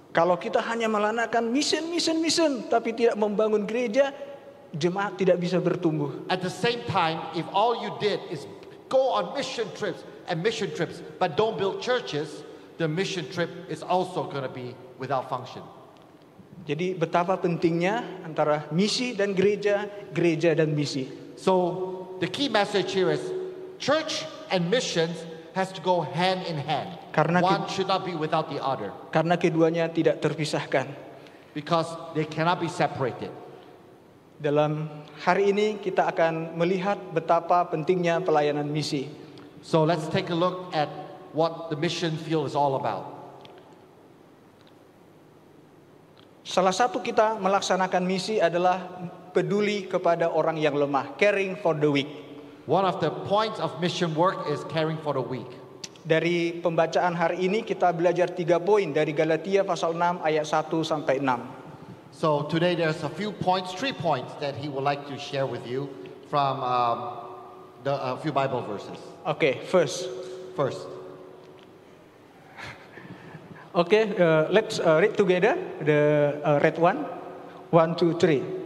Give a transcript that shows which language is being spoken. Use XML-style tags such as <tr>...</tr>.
<id>Kalau kita hanya melaksanakan mission, tapi tidak membangun gereja, jemaat tidak bisa bertumbuh.</id> <en>At the same time, if all you did is go on mission trips, but don't build churches, the mission trip is also going to be without function.</en> <id>Jadi betapa pentingnya antara misi dan gereja, gereja dan misi.</id> <en>So the key message here is church and missions has to go hand in hand. One should not be without the other.</en> <id>Karena keduanya tidak terpisahkan.</id> <en>Because they cannot be separated.</en> <id>Dalam hari ini kita akan melihat betapa pentingnya pelayanan misi.</id> <en>So let's take a look at what the mission field is all about.</en> <id>Salah satu kita melaksanakan misi adalah peduli kepada orang yang lemah,</id> <en>caring for the weak. One of the points of mission work is caring for the weak.</en> <id>Dari pembacaan hari ini kita belajar 3 poin dari Galatia pasal 6 ayat 1 sampai 6.</id> <en>So today there's a few points, 3 points that he would like to share with you from a few Bible verses. Okay, first. Okay, let's read together the red one. 1, 2, 3.</en>